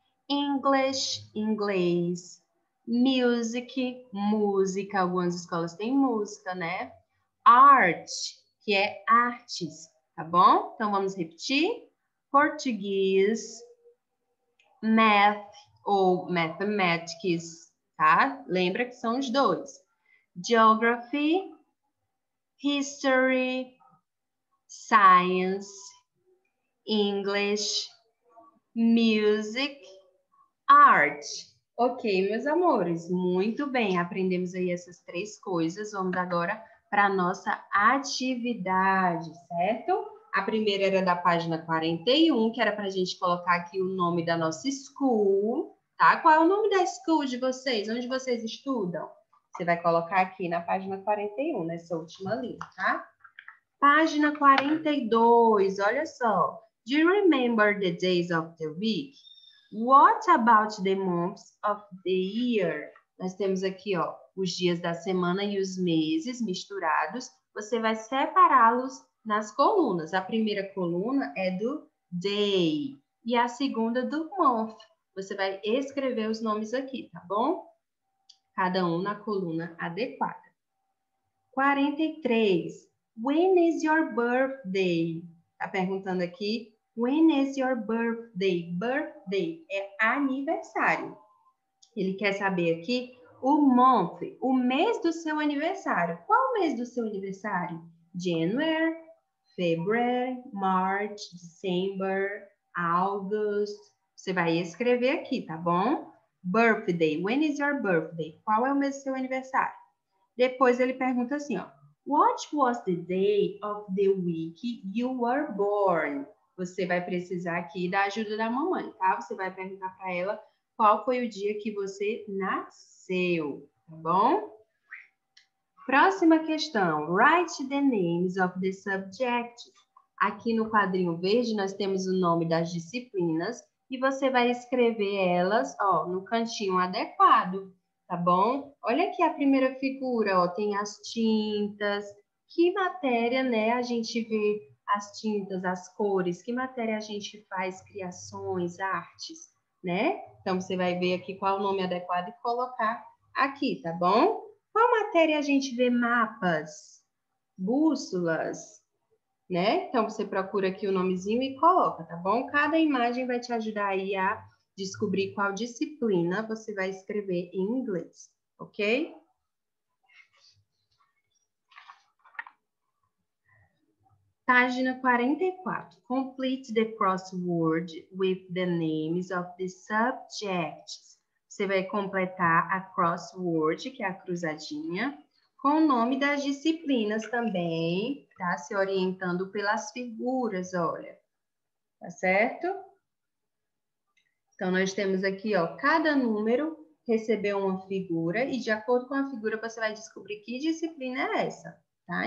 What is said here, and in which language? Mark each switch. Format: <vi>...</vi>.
<pt>English, inglês. Music, música. Algumas escolas têm música, né? Art, que é artes, tá bom? Então vamos repetir. Português, math ou mathematics, tá? Lembra que são os dois.</pt> <en>Geography, history, science, English, music. Art.</en> <pt>Ok, meus amores, muito bem, aprendemos aí essas três coisas. Vamos agora para a nossa atividade, certo? A primeira era da página 41, que era para a gente colocar aqui o nome da nossa school, tá? Qual é o nome da school de vocês? Onde vocês estudam? Você vai colocar aqui na página 41, nessa última linha, tá? Página 42, olha só.</pt> <en>Do you remember the days of the week? What about the months of the year?</en> <pt>Nós temos aqui, ó, os dias da semana e os meses misturados. Você vai separá-los nas colunas. A primeira coluna é do day e a segunda do month. Você vai escrever os nomes aqui, tá bom? Cada um na coluna adequada.</pt> <en>43. When is your birthday?</en> <pt>Tá perguntando aqui.</pt> <en>When is your birthday?</en> <pt>Birthday é aniversário. Ele quer saber aqui o month, o mês do seu aniversário. Qual o mês do seu aniversário?</pt> <en>January, February, March, December, August.</en> <pt>Você vai escrever aqui, tá bom? Birthday,</pt> <en>when is your birthday?</en> <pt>Qual é o mês do seu aniversário? Depois ele pergunta assim, ó.</pt> <en>What was the day of the week you were born?</en> <pt>Você vai precisar aqui da ajuda da mamãe, tá? Você vai perguntar para ela qual foi o dia que você nasceu, tá bom? Próxima questão.</pt> <en>Write the names of the subjects.</en> <pt>Aqui no quadrinho verde nós temos o nome das disciplinas e você vai escrever elas, ó, no cantinho adequado. Tá bom? Olha aqui a primeira figura, ó, tem as tintas. Que matéria, né, a gente vê as tintas, as cores? Que matéria a gente faz criações, artes, né? Então você vai ver aqui qual o nome adequado e colocar aqui, tá bom? Qual matéria a gente vê mapas, bússolas, né? Então você procura aqui o nomezinho e coloca, tá bom? Cada imagem vai te ajudar aí a descobrir qual disciplina você vai escrever em inglês, ok? Página 44.</pt> <en>Complete the crossword with the names of the subjects.</en> <pt>Você vai completar a crossword, que é a cruzadinha, com o nome das disciplinas também, tá? Se orientando pelas figuras, olha. Tá certo? Então, nós temos aqui, ó, cada número recebeu uma figura e de acordo com a figura você vai descobrir que disciplina é essa, tá?</pt>